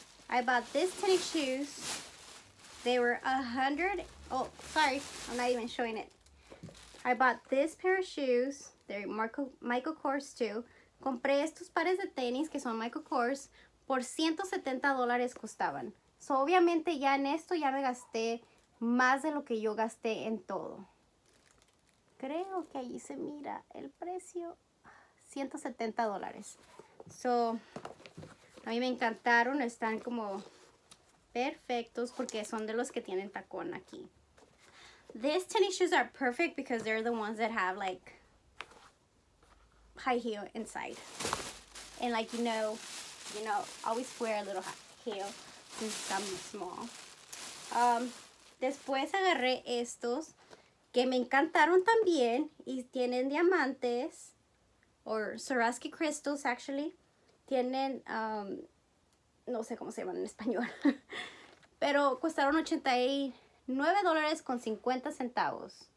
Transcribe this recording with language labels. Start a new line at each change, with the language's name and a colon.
English: I bought this tennis shoes. They were I bought this pair of shoes. They're Michael Kors too.
Spanish: Compré estos pares de tenis que son Michael Kors por $170 costaban. So obviamente ya en esto ya me gasté más de lo que yo gasté en todo. Creo que ahí se mira el precio. $170. So, a mí me encantaron, están como perfectos porque son de los que tienen tacón aquí.
English: These tennis shoes are perfect because they're the ones that have like high heel inside. And like, you know, always wear a little high heel since I'm small.
Spanish: Después agarré estos que me encantaron también y tienen diamantes
English: or Swarovski crystals actually.
Spanish: Tienen, no sé cómo se llaman en español, pero costaron $89.50.